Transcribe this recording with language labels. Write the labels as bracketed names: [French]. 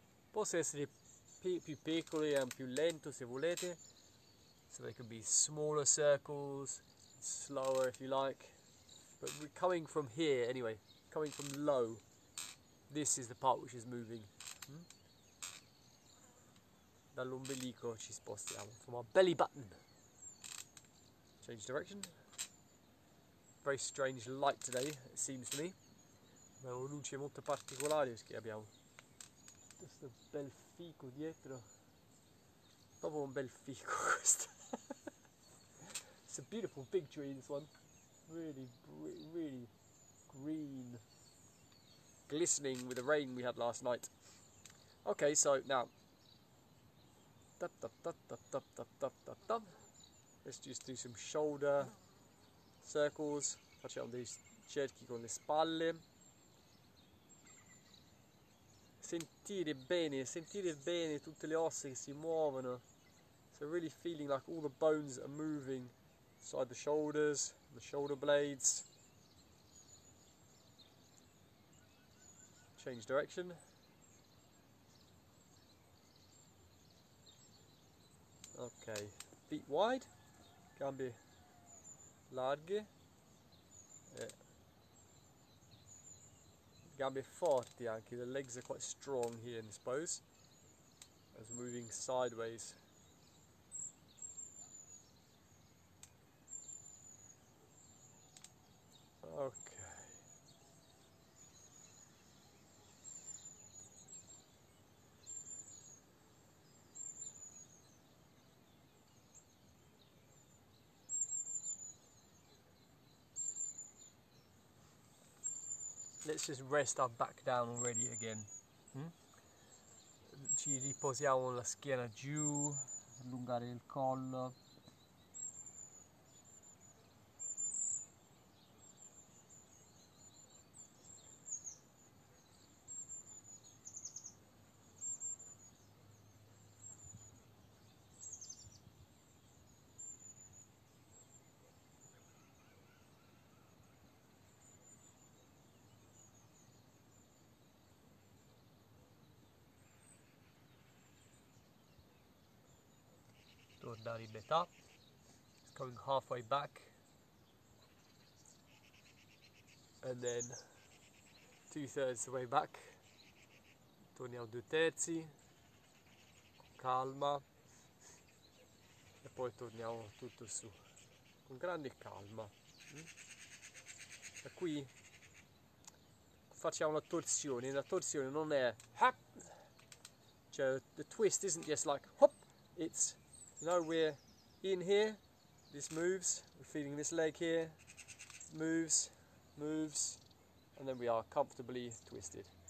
[Italian] Posso essere più piccolo e più lento se volete. [English] So they can be smaller circles, slower if you like. But we're coming from here anyway, coming from low. This is the part which is moving. [Italian] Dall'ombelico ci spostiamo. [English] From our belly button. Change direction. Very strange light today, it seems to me. [Italian] Una luce molto particolare che abbiamo. Questo bel fico dietro. Proprio un bel fico questo. [English] It's a beautiful big tree this one. Really, really green. Glistening with the rain we had last night. Okay, so now. Dup, dup, dup, dup, dup, dup, dup, dup, dup. Let's just do some shoulder circles. [Italian] Facciamo dei cerchi con le spalle. Sentire bene tutte le ossa che si muovono. [English] So really feeling like all the bones are moving inside the shoulders, the shoulder blades. Change direction. Okay, feet wide, [Italian] gambe larghe. gambe forti anche, [English] the legs are quite strong here in this pose. As we're moving sideways. Okay. Let's just rest our back down already again. [Italian] Ci riposiamo la schiena giù, allungare il collo. Dari beta. [English] It's coming halfway back and then two thirds the way back. [Italian] Torniamo due terzi con calma e poi torniamo tutto su con grande calma. Da qui facciamo una torsione. La torsione non è hop, cioè [English] the twist isn't just like hop, it's, you know, we're in here, this moves, we're feeling this leg here, moves, moves, and then we are comfortably twisted.